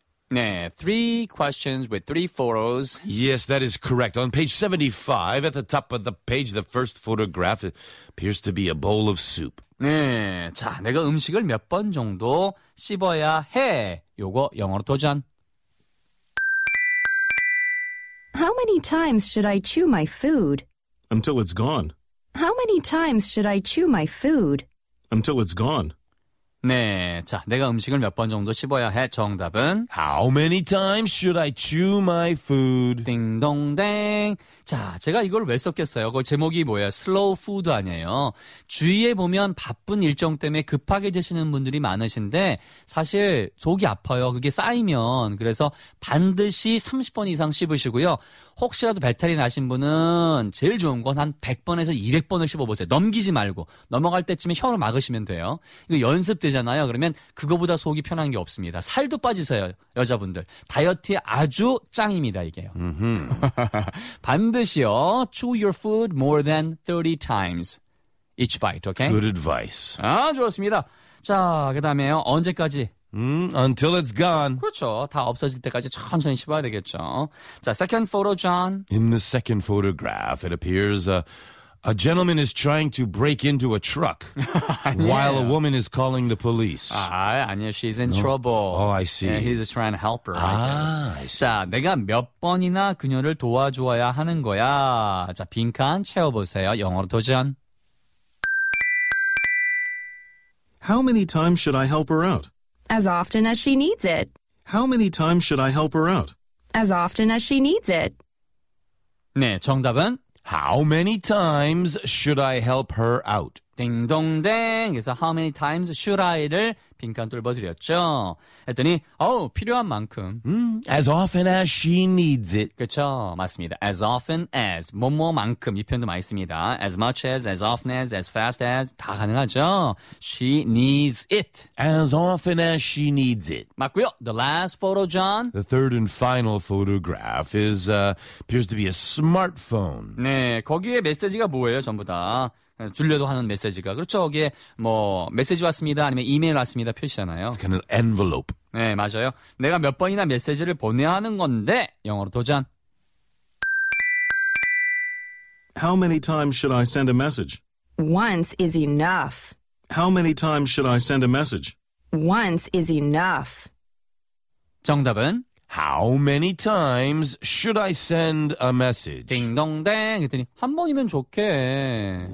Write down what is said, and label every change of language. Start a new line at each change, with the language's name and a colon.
English: Yeah, three questions with three photos. Yes, that is correct. On page 75, at the top of the page, the first photograph appears to be a bowl of soup.
Korean: 네, 자, 내가 음식을 몇 번 정도 씹어야 해? 요거 영어로 도전.
English: How many times should I chew my food? Until it's gone. How many times should I chew my food? Until it's gone.
Korean: 네, 자, 내가 음식을 몇 번 정도 씹어야 해? 정답은
English: How many times should I chew my food?
Korean: 띵동댕. 자, 제가 이걸 왜 썼겠어요? 그 제목이 뭐예요? 슬로우 푸드 아니에요. 주위에 보면 바쁜 일정 때문에 급하게 드시는 분들이 많으신데 사실 속이 아파요. 그게 쌓이면. 그래서 반드시 30번 이상 씹으시고요. 혹시라도 배탈이 나신 분은 제일 좋은 건 한 100번에서 200번을 씹어보세요. 넘기지 말고. 넘어갈 때쯤에 혀로 막으시면 돼요. 이거 연습되죠? 다르잖아요. 그러면 그거보다 속이 편한 게 없습니다. 살도 빠지세요, 여자분들. 다이어트에 아주 짱입니다, 이게요. 반드시요.
English: Chew your food more than 30 times each bite, okay? Good advice.
Korean: 아, 좋습니다. 자, 그 다음에요. 언제까지?
English: Until it's gone.
Korean: 그렇죠. 다 없어질 때까지 천천히 씹어야 되겠죠.
English: 자, second photo, John. In the second photograph, it appears a gentleman is trying to break into a truck while a woman is calling the police.
Korean: 아, 아니요.
English: She's in trouble. Oh, I see. Yeah, he's trying to help her. 아, I see.
Korean: 자, 내가 몇 번이나 그녀를 도와줘야 하는 거야. 자, 빈칸 채워보세요. 영어로 도전.
English: How many times should I help her out? As often as she needs it. How many times should I help her out? As often as she needs it.
Korean: 네, 정답은?
English: How many times should I help her out?
Korean: 딩동댕. 그래서
English: how many times should I를
Korean: 빈칸 뚫어드렸죠. 했더니 필요한 만큼.
English: As often as she needs it.
Korean: 그렇죠. 맞습니다.
English: As often as.
Korean: 뭐뭐만큼. 이 표현도 많이 씁니다.
English: As much as often as fast as.
Korean: 다 가능하죠.
English: She needs it. As often as she needs it.
Korean: 맞고요.
English: The last photo, John. The third and final photograph is appears to be a smartphone.
Korean: 네. 거기에 메시지가 뭐예요, 전부 다. 줄려도 하는 메시지가. 그렇죠. 거기에 뭐 메시지 왔습니다. 아니면 이메일 왔습니다. 표시잖아요.
English: It's kind of envelope.
Korean: 네, 맞아요. 내가 몇 번이나 메시지를 보내야 하는 건데. 영어로 도전.
English: How many times should I send a message? Once is enough. How many times should I send a message? Once is enough.
Korean: 정답은?
English: How many times should I send a message?
Korean: 딩동댕. 그랬더니 한 번이면 좋게.